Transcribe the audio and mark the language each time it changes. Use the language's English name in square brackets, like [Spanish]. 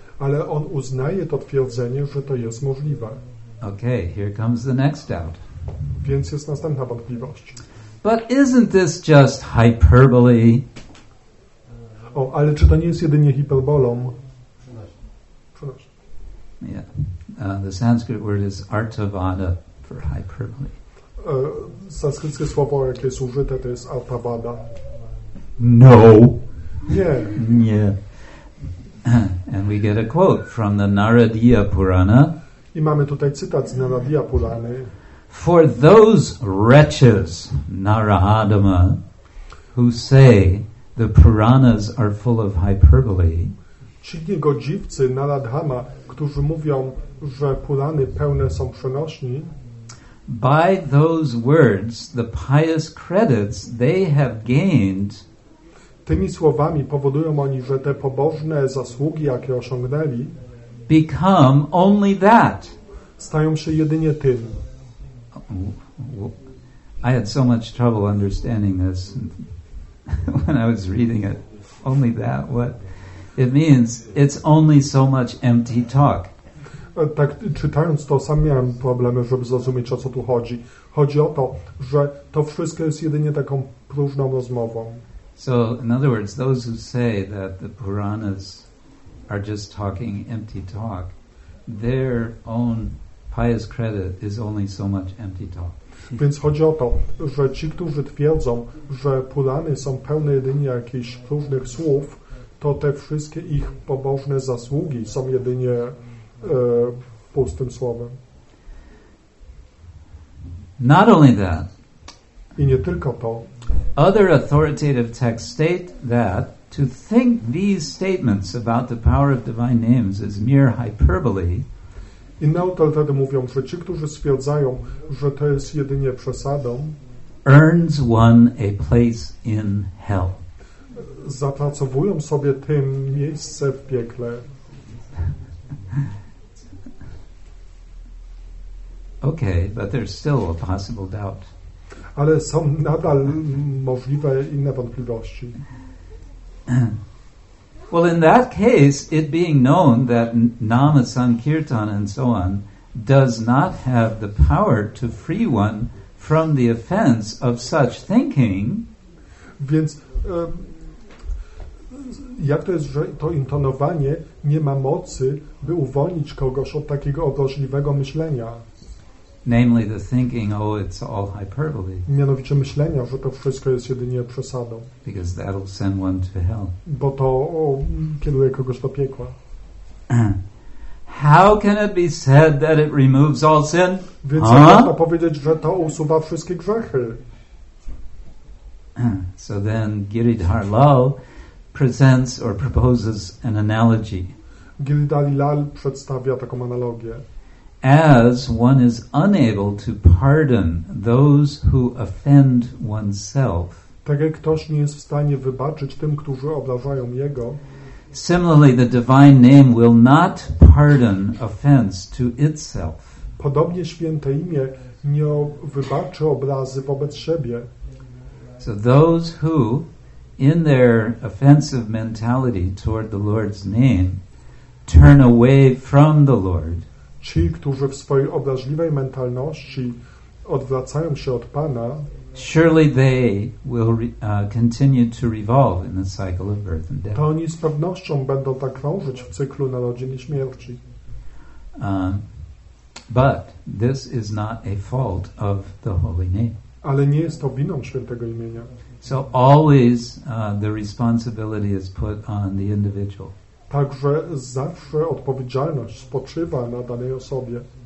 [Polish] Ale on uznaje to twierdzenie, że to jest możliwe. [English] Okay, here comes the next doubt. [Polish] Więc jest następna wątpliwość. [English] But isn't this just hyperbole? [Polish] O, ale czy to nie jest jedynie hiperbolą? [English] The Sanskrit word is artavada for hyperbole. [Polish] Sanskryckie słowo, jakie jest użyte, to jest artavada. [English] No. [Polish] Nie. Nie. [English] we get a quote from the Naradiya Purana. [Polish] I mamy tutaj cytat z Naradiya Purany. [English] For those wretches, Naradama, who say the Puranas are full of hyperbole. [Polish] Ci niegodziwcy, Naradhama, którzy mówią, że Purany pełne są przenośni. [English] By those words, the pious credits they have gained. [Polish] Tymi słowami powodują oni, że te pobożne zasługi, jakie osiągnęli, [English] become only that. [Polish] Stają się jedynie tym. [English] I had so much trouble understanding this when I was reading it. Only that, what? It means it's only so much empty talk. [Polish] Tak czytając to, sam miałem problemy, żeby zrozumieć, o co tu chodzi. Chodzi o to, że to wszystko jest jedynie taką próżną rozmową. [English] So, in other words, those who say that the Puranas are just talking empty talk, their own pious credit is only so much empty talk. [Polish] Więc chodzi o to, że ci, którzy twierdzą, że Purany są pełne jedynie jakichś próżnych słów, to te wszystkie ich pobożne zasługi są jedynie pustym słowem. [English] Not only that. [Polish] I nie tylko to. [English] Other authoritative texts state that to think these statements about the power of divine names is mere hyperbole. [Polish] Inne autorytety mówią, że ci, którzy stwierdzają, że to jest jedynie przesadą, [English] earns one a place in hell. [Polish] Zapracowują sobie tym miejsce w piekle. [English] Okay, but there's still a possible doubt. [Polish] Ale są nadal możliwe inne wątpliwości. [English] Well, in that case, it being known that Nama Sankirtan and so on does not have the power to free one from the offense of such thinking. [Polish] Więc jak to jest, że to intonowanie nie ma mocy, by uwolnić kogoś od takiego obraźliwego myślenia? [English] Namely the thinking, oh, it's all hyperbole. [Polish] Mianowicie myślenia, że to wszystko jest jedynie przesadą. [English] Because that'll send one to hell. [Polish] Bo to kieruje kogoś do piekła. [English] How can it be said that it removes all sin? [Polish] Więc jak można powiedzieć, że to usuwa wszystkie grzechy? [English] So then Giridhar Lal presents or proposes an analogy. [Polish] Giridhar Lal przedstawia taką analogię. [English] As one is unable to pardon those who offend oneself. [Polish] Tak jak ktoś nie jest w stanie wybaczyć tym, którzy obrażają jego. [English] Similarly, the divine name will not pardon offense to itself. [Polish] Podobnie święte imię nie wybaczy obrazy wobec siebie. [English] So those who in their offensive mentality toward the Lord's name turn away from the Lord. [Polish] Ci, którzy w swojej obraźliwej mentalności odwracają się od Pana, [English] surely they will continue to revolve in the cycle of birth and death. [Polish] To oni z pewnością będą tak krążyć w cyklu narodzin i śmierci. [English] But this is not a fault of the holy name. [Polish] Ale nie jest to winą świętego imienia. [English] So always the responsibility is put on the individual. [Polish] Także zawsze odpowiedzialność spoczywa na danej osobie.